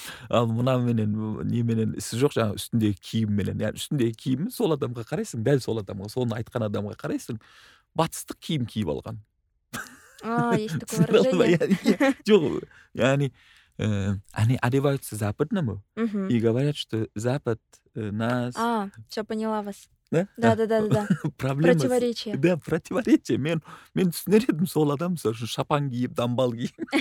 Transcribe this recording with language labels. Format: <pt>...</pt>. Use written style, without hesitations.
<kk>Ал мына менен не менен ісі жоқ, жаңа үстіндегі киім менен. Яғни үстіндегі киім сол адамға қарайсың, дәл сол адамға, соны айтқан адамға қарайсың. Батыстық киім киіп алған.</kk> <ru>Есть такое выражение.</ru> <kk>Жоқ, яғни</kk> <ru>они одеваются западному и говорят, что Запад нас... А, все поняла вас. Да? Да. Проблема. Противоречие. Да, противоречие.</ru> <kk>Мен түсінердім сол адам, сөзі шапан киіп, дамбал киіп.</kk>